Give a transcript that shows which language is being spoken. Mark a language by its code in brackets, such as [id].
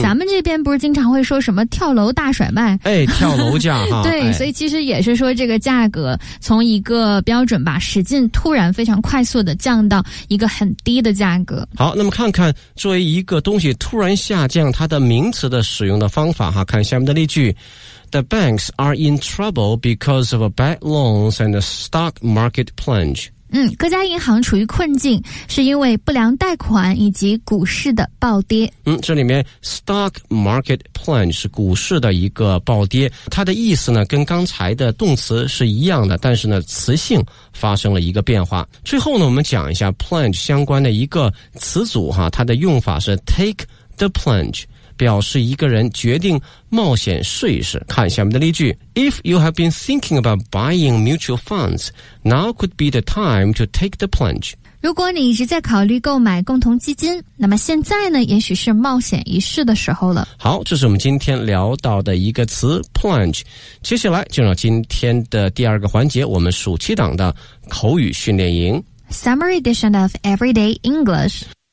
[zh] 咱们这边不是经常会说什么跳楼大甩卖，哎，跳楼价哈对、哎、所以其实也是说这个价格从一个标准吧使劲突然非常快速的降到一个很低的价格。好，那么看看作为一个东西突然下降它的名词的使用的方法哈。看下面的例句， [en] The banks are in trouble because of bad loans and the stock market plunge. [zh] 嗯，各家银行处于困境，是因为不良贷款以及股市的暴跌。嗯，这里面 [en] stock market plunge [zh] 是股市的一个暴跌，它的意思呢跟刚才的动词是一样的，但是呢词性发生了一个变化。最后呢，我们讲一下 plunge 相关的一个词组哈，它的用法是 [en] take the plunge。 [zh] 表示一个人决定冒险试一试。看下面的例句， [en] If you have been thinking about buying mutual funds, now could be the time to take the plunge. [zh] 如果你一直在考虑购买共同基金，那么现在呢，也许是冒险一试的时候了。好，这是我们今天聊到的一个词 plunge。接下来进入今天的第二个环节，我们暑期档的口语训练营 [en] Summer Edition of Everyday English。